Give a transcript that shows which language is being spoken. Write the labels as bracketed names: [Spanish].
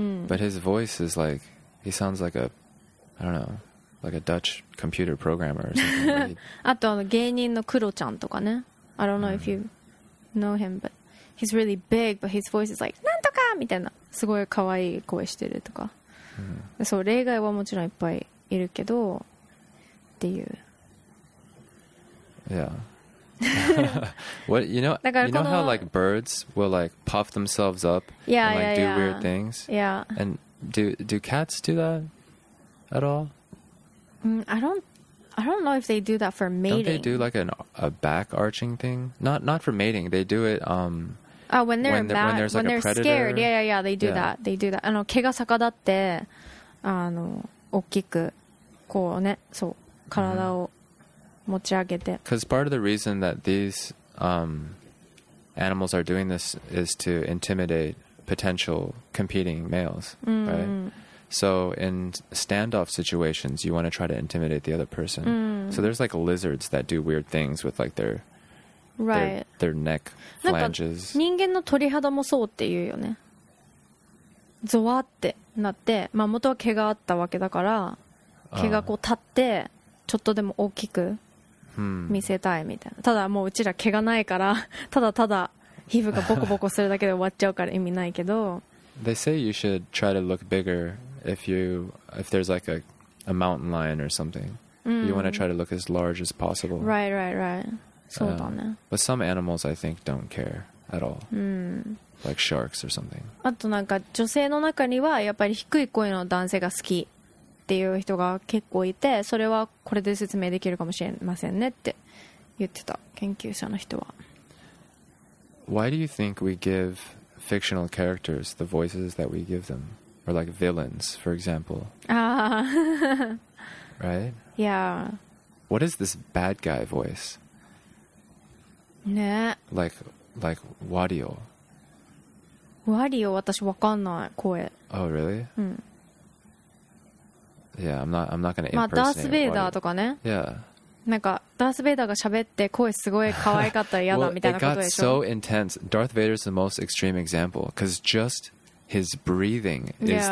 [English] But his voice is like, he sounds like a, I don't know, like a Dutch computer programmer. [Japanese] あと芸人のクロちゃんとかね。 [English] I don't know if you know him, but he's really big, but his voice is like [Japanese] なんとかみたいな、すごい可愛い声してるとか。そう、例外はもちろんいっぱいいるけど。 [English] Yeah. What, you know, you know how like birds will like puff themselves up and weird things? Yeah. And do cats do that at all? I don't know if they do that for mating. Don't they do like a back arching thing? Not for mating. They do it when they're scared. Yeah, they do that. They do that. [Japanese] 毛が逆立って大きくこうね、そう。 [English] Because part of the reason that these animals are doing this is to intimidate potential competing males, right? So in standoff situations, you want to try to intimidate the other person. So there's like lizards that do weird things with like their, right. their neck flanges. [Japanese] 人間の鳥肌もそうっていうよね。ゾワってなって、まあ元は毛があったわけだから、毛がこう立って。ちょっとでも大きく見せたいみたいな。ただもううちら毛がないから、ただただ皮膚がボコボコするだけで終わっちゃうから意味ないけど。 [English] They say you should try to look bigger if there's like a mountain lion or something. You want to try to look as large as possible. Right, right, right. [Japanese] そうだね。 [English] But some animals, I think, don't care at all. Like sharks or something. [Japanese] あとなんか女性の中にはやっぱり低い声の男性が好きっていう人が結構いて、それはこれで説明できるかもしれませんねって言ってた研究者の人は。 [English] Why do you think we give fictional characters the voices that we give them? Or like villains, for example. Ah. Right? Yeah. What is this bad guy voice? [Japanese] ね。 [English] Like Wario. [Japanese] Wario, 私わかんない声。 [English] Oh, really? [Japanese] うん。 [English] Yeah, I'm not gonna impersonate. [Japanese] まあ、ダースベイダーとかね。 [English] Yeah. [Japanese] なんかダース・ベイダーが喋って声すごい可愛かったら嫌だみたいなことでしょ。 [English] Well, it got so intense. Darth Vader is the most extreme example because just his breathing is、yeah.